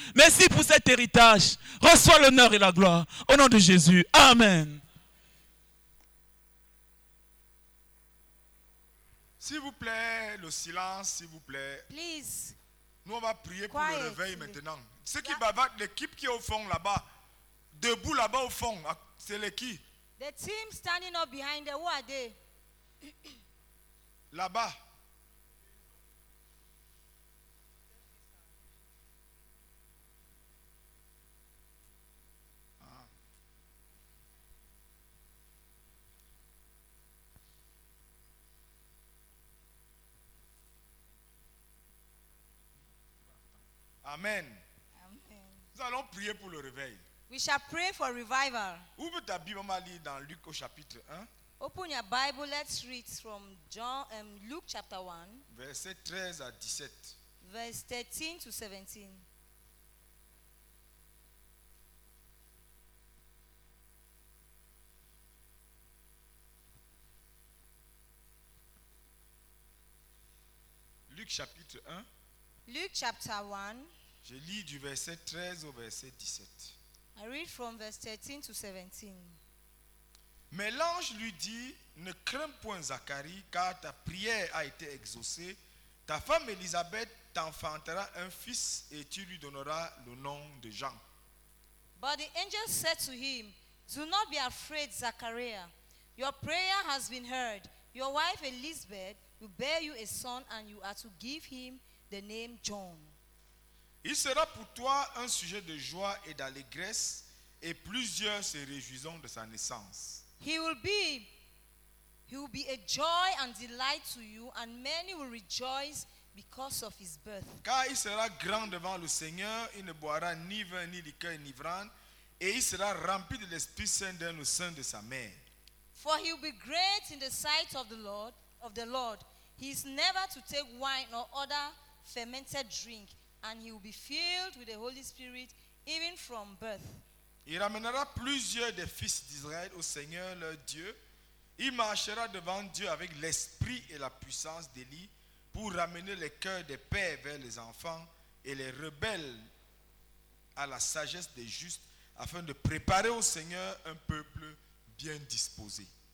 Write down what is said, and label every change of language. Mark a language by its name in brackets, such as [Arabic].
[French] Merci pour cet héritage. Reçois l'honneur et la gloire. Au nom de Jésus. Amen. S'il vous plaît, le silence, s'il vous plaît. [English] Please. [French] Nous, on va prier pour le réveil maintenant. Ceux qui bavardent, l'équipe qui est au fond là-bas, debout là-bas au fond, c'est l'équipe. [English] The team standing up behind them, who are they? [French] Là-bas. Amen. Amen. Nous allons prier pour le réveil. [English] We shall pray for revival. [French] Ouvre ta Bible, maman, lis dans Luc au chapitre 1. [English] Open your Bible, let's read from John, Luke chapter 1. [French] Verset 13 à 17. [English] Verse 13 to 17. [French] Luc chapitre 1. [English] Luke chapter 1. [French] Je lis du verset 13 au verset 17. [English] I read from verse 13 to 17. [French] Mais l'ange lui dit, ne crains point Zacharie, car ta prière a été exaucée. Ta femme Élisabeth t'enfantera un fils et tu lui donneras le nom de Jean. [English] But the angel said to him, do not be afraid, Zacharia. Your prayer has been heard. Your wife Elizabeth will bear you a son and you are to give him the name John. [French] Il sera pour toi un sujet de joie et d'allégresse, et plusieurs se réjouiront de sa naissance. [English] He will be a joy and delight to you, and many will rejoice because of his birth. [French] Car il sera grand devant le Seigneur, il ne boira ni vin, ni liqueur, ni vrant, et il sera rempli de l'Esprit Saint dans le sein de sa mère. [English] For he will be great in the sight of the Lord. He is never to take wine or other fermented drink. And he will be filled with the Holy Spirit even from birth. [French] Il ramènera plusieurs des fils d'Israël au Seigneur leur Dieu. Il marchera devant Dieu avec l'esprit et la puissance d'Élie pour ramener les cœurs des pères vers les enfants et les rebelles à la sagesse des justes afin de préparer au Seigneur un peuple bien disposé.